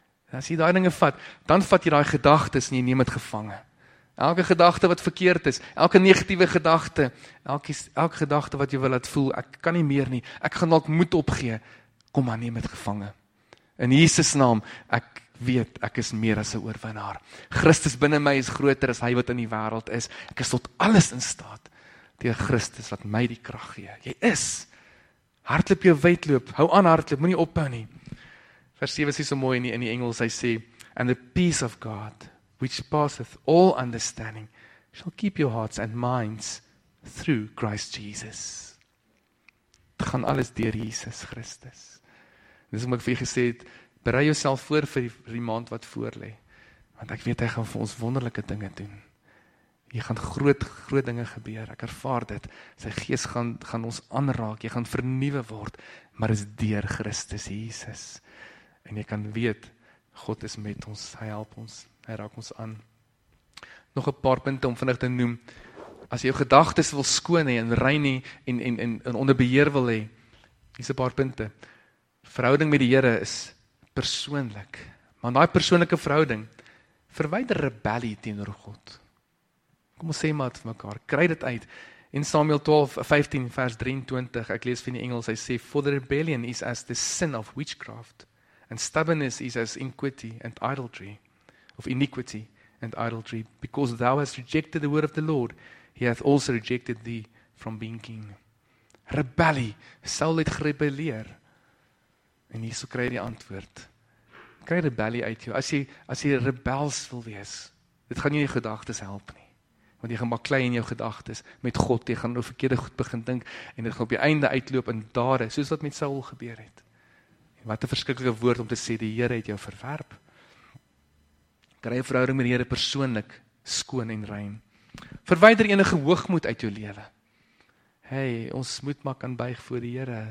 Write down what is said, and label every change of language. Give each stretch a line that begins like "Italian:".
Afrikaans: en as jy daai dinge vat, dan vat jy daai gedagtes en jy neem het gevange, elke gedagte wat verkeerd is, elke negatieve gedagte, elke gedagte wat jy wil laat voel, ek kan nie meer nie, ek gaan dalk moed opgee, kom maar neem het gevange. In Jesus naam, ek weet, ek is meer as 'n oorwinnaar. Christus binne my is groter as hy wat in die wêreld is. Ek is tot alles in staat deur Christus wat my die krag gee. Jy is. Hardloop jou wedloop. Hou aan hardloop, moenie ophou nie. Vers 7 sê so mooi in die Engels, hy sê,
English: "And the peace of God, which passeth all understanding, shall keep your hearts and minds through Christ Jesus."
Afrikaans: Het gaan alles deur Jesus Christus. Dis wat ek vir jy gesê het, berei jouself voor vir die maand wat voorlê. Want ek weet hy gaan vir ons wonderlike dinge doen. Jy gaan groot dinge gebeur. Ek ervaar dit. Sy Gees gaan ons aanraak. Jy gaan vernuwe word, maar is deur Christus Jesus. En jy kan weet God is met ons. Hy help ons. Hy raak ons aan. Nog 'n paar punte om vinnig te noem. As jy jou gedagtes wil skoon hê en rein hê en onder beheer wil hê, dis 'n paar punte. Verhouding met die Here is persoonlik. Maar daai persoonlike verhouding verwyder rebellie teenoor God. Kom ons sê maar vir mekaar, kry dit uit. In Samuel 12:15 vers 23, ek lees van die Engels, hy sê,
English: "For the rebellion is as the sin of witchcraft, and stubbornness is as iniquity and idolatry, of iniquity and idolatry, because thou hast rejected the word of the Lord, he hath also rejected thee from being king."
Afrikaans: Rebellie, Saul het gerebelleer. En hierso kry jy die antwoord. Kry rebellie uit jou. As jy rebels wil wees, dit gaan nie jou gedagtes help nie. Want jy gaan maar klei in jou gedagtes met God. Jy gaan nou verkeerde goed begin dink en dit gaan op die einde uitloop in dade, soos wat met Saul gebeur het. En wat 'n verskriklike woord om te sê, die Here het jou verwerp. Kry 'n verhouding met die Here persoonlik, skoon en rein. Verwyder enige hoogmoed uit jou lewe. Hey, ons moet maar kan buig voor die Here.